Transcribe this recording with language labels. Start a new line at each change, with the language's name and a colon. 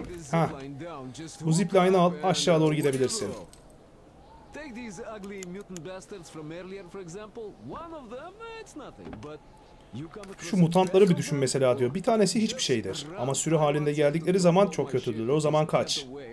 Turkish: Ha. Bu zipline'ı al, aşağı doğru gidebilirsin.
English: Take these ugly mutant bastards from earlier for example. One of them it's nothing but
Turkish: şu mutantları bir düşün mesela diyor. Bir tanesi hiçbir şeydir. Ama sürü halinde geldikleri zaman çok kötüdür. O zaman kaç.